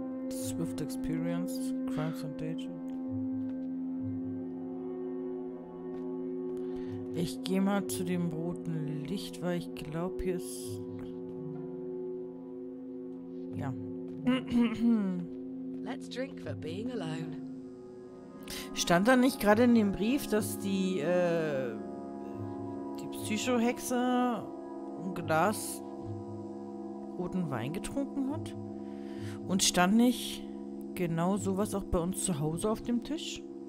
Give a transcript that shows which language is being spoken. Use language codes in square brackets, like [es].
[en] Swift Experience, Crimes and Danger. [de] Ich gehe mal zu dem roten Licht, weil ich glaube, hier ist... Ja. [en] Let's drink for being alone. [de] Stand da nicht gerade in dem Brief, dass die, die Psycho-Hexe ein Glas roten Wein getrunken hat? Und stand nicht genau sowas auch bei uns zu Hause auf dem Tisch?